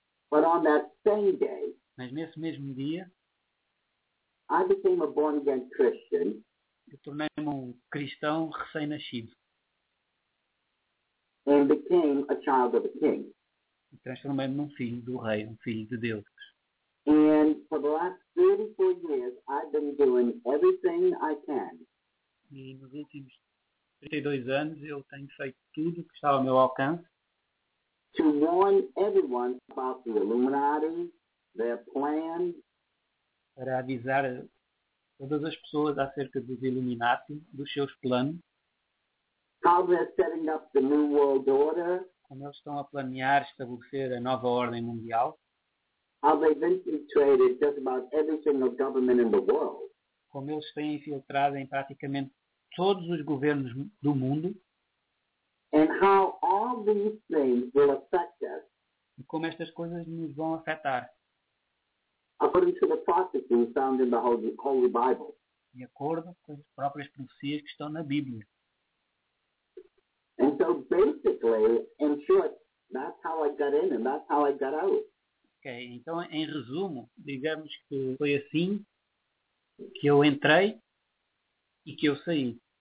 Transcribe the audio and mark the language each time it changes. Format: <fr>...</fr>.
<en>But on that same day,</en> <pt>mas nesse mesmo dia,</pt> <en>I became a born again Christian.</en> <pt>Eu tornei-me um cristão recém-nascido.</pt> <en>And became a child of the king.</en> <pt>E transformei-me num filho do rei, um filho de Deus.</pt> <en>And for the last 34 years, I've been doing everything I can.</en> <pt>E nos últimos 32 anos, eu tenho feito tudo o que estava ao meu alcance.</pt> <en>To warn everyone about the Illuminati, their plan.</en> <pt>Para avisar todas as pessoas acerca dos Illuminati, dos seus planos.</pt> <en>How they're setting up the New World Order.</en> <pt>Como eles estão a planear estabelecer a nova ordem mundial.</pt> <en>How they've infiltrated just about every single government in the world.</en> <pt>Como eles têm infiltrado em praticamente todos os governos do mundo.</pt> <en>And how all these things will affect us.</en> <pt>E como estas coisas nos vão afetar.</pt> <en>According to the prophecies found in the Holy Bible.</en> <pt>De acordo com as próprias profecias que estão na Bíblia.</pt> <en>And so basically, in short, that's how I got in and that's how I got out.</en> <pt>Ok, então em resumo, digamos que foi assim que eu entrei e que eu saí.</pt>